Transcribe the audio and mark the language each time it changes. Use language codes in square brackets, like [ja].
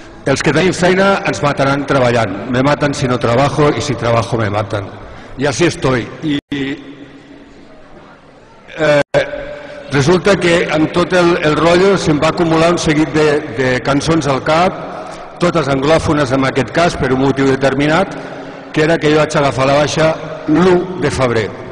[ca] Els que tenim feina ens mataran treballant. [es] Me maten si no trabajo i si trabajo me maten. [ca] I així [es] estoy. [ca] I resulta que amb tot el rotllo se'm va acumular un seguit de cançons al cap totes anglòfones en aquest cas, per un motiu determinat, que era que jo vaig agafar la baixa l'1 de febrer.